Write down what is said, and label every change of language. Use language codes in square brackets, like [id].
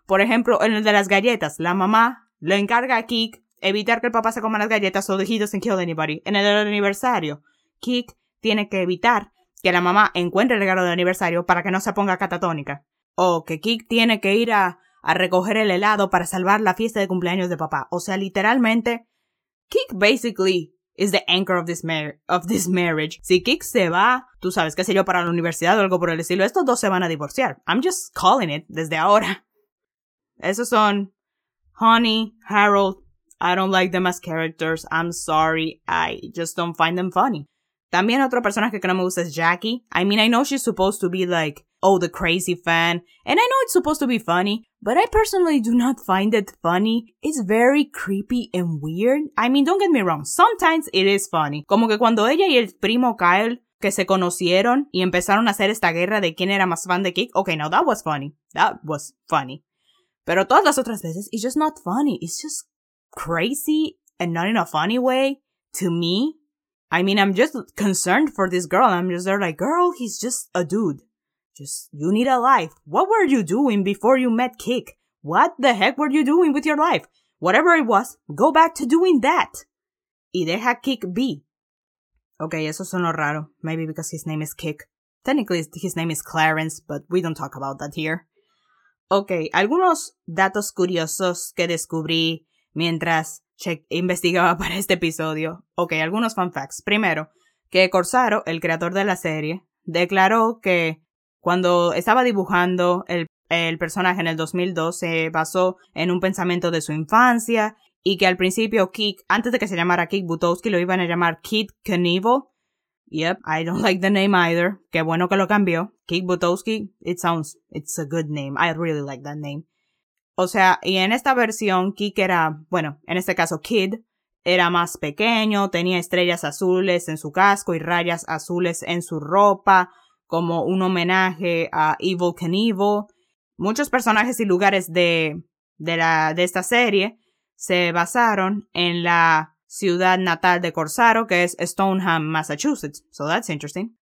[es] Por ejemplo, en el de las galletas, la mamá le encarga a Kick evitar que el papá se coma las galletas o [en] he doesn't kill anybody. [es] En el aniversario, Kick tiene que evitar que la mamá encuentre el regalo del aniversario para que no se ponga catatónica. O que Kick tiene que ir a recoger el helado para salvar la fiesta de cumpleaños de papá. O sea, literalmente, [en] Kick basically is the anchor of this marriage. [es] Si Kick se va, tú sabes, qué sé yo, para la universidad o algo por el estilo, estos dos se van a divorciar. [en] I'm just calling it [es] desde ahora. Esos son [en] Honey, Harold, I don't like them as characters. I'm sorry. I just don't find them funny. [es] También otro personaje que no me gusta es Jackie. [en] I mean, I know she's supposed to be like, oh, the crazy fan. And I know it's supposed to be funny. But I personally do not find it funny. It's very creepy and weird. I mean, don't get me wrong. Sometimes it is funny. [es] Como que cuando ella y el primo Kyle que se conocieron y empezaron a hacer esta guerra de quién era más fan de Kik. [en] Okay, now that was funny. That was funny. [es] Pero todas las otras veces, [en] it's just not funny. It's just crazy and not in a funny way to me. I mean, I'm just concerned for this girl. I'm just there like, girl, he's just a dude. Just, you need a life. What were you doing before you met Kik? What the heck were you doing with your life? Whatever it was, go back to doing that. [es] Y deja Kik be. Okay, eso sonó raro. [en] Maybe because his name is Kik. Technically, his name is Clarence, but we don't talk about that here. [es] Okay, algunos datos curiosos que descubrí mientras investigaba para este episodio. Okay, algunos fun facts. Primero, que Corsaro, el creador de la serie, declaró que cuando estaba dibujando el personaje en el 2002, se basó en un pensamiento de su infancia y que al principio Kik, antes de que se llamara Kik Butowski, lo iban a llamar Kid Knievel. [en] Yep, I don't like the name either. [es] Qué bueno que lo cambió. [en] Kik Butowski, it's a good name. I really like that name. [es] O sea, y en esta versión, Kik era, bueno, en este caso Kid, era más pequeño, tenía estrellas azules en su casco y rayas azules en su ropa, como un homenaje a Evil Knievel. Muchos personajes y lugares de esta serie se basaron en la ciudad natal de Corsaro, que es Stoneham, Massachusetts. [en] So that's interesting.